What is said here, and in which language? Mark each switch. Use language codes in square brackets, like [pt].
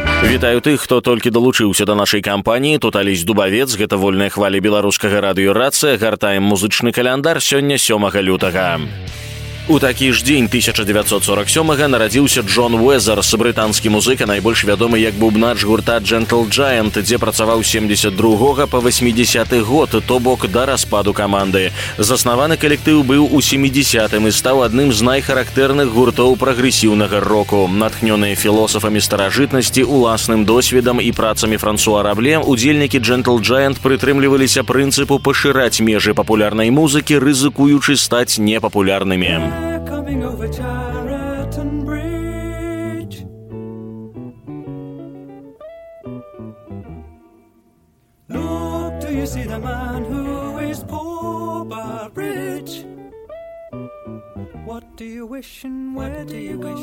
[uk] Вітаю тих, хто тільки долучився до нашої кампанії. [be] Тут Алесь Дубавець, гэта «Вольная хваля» Беларускага радіо «Рація». Гартаем музычны каляндар сёння 7 лютага. У такі ж дзень 1947-го нарадзіўся Джон Уэзерс, брытанскі музыка, найбольш вядомы як бубнач гурта Gentle Giant, дзе працаваў з 72-го па 80-ы год, то бок да распаду каманды. Заснаваны калектыў быў у 70-ым і стаў адным з найхарактэрных гуртоў прагрэсіўнага року. Натхнёныя філосафамі старажытнасці, уласным досведам і працамі Франсуа Рабле, удзельнікі Gentle Giant прытрымліваліся прынцыпу пашыраць межы папулярнай музыкі, рызыкуючы стаць непапулярнымі. [en] They're coming over Tarleton Bridge. Look, do you see the man who is poor by bridge? What do you wish and where do you go?